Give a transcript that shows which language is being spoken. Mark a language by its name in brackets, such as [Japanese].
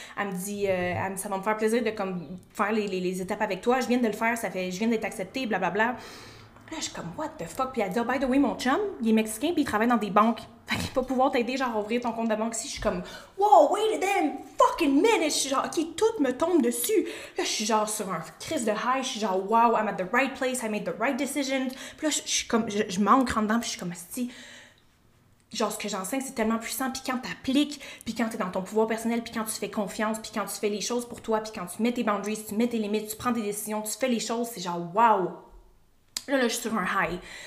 [French] Elle me dit, ça va me faire plaisir de comme faire les étapes avec toi. Je viens de le faire. Je viens d'être acceptée. Blablabla. Là, je suis comme, [English] what the fuck? [French] Puis elle dit, [English] oh, by the way, [French] mon chum, il est mexicain, puis il travaille dans des banques. Fait qu'il va pouvoir t'aider, genre, à ouvrir ton compte de banque ici. Je suis comme, [English] wow, wait a damn fucking minute! [French] Je suis genre, OK, tout me tombe dessus. Là, je suis genre sur un crise de high. Je suis genre, [English] wow, I'm at the right place. I made the right decision. [French] Puis là, je suis comme, je m'ancre en dedans, puis je suis comme, si, genre, ce que j'enseigne, c'est tellement puissant. Puis quand t'appliques, puis quand t'es dans ton pouvoir personnel, puis quand tu fais confiance, puis quand tu fais les choses pour toi, puis quand tu mets tes boundaries, tu mets tes limites, tu prends des décisions, tu fais les choses, c'est genre, wow. Là, je suis sur un high.